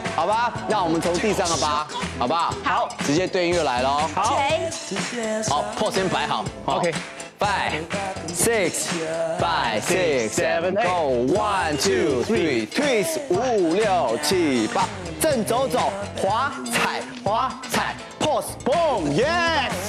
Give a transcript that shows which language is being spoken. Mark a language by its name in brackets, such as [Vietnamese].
[Chinese] 好吧，那我们从第三个八，好不好？好，直接对音乐来喽。好，好，破先摆好 [English] ，OK。 Five, six, five, six, seven, go. One, two, three, twist. [Chinese] 五六七八，正走走，滑踩滑踩 ， pose, boom, yes.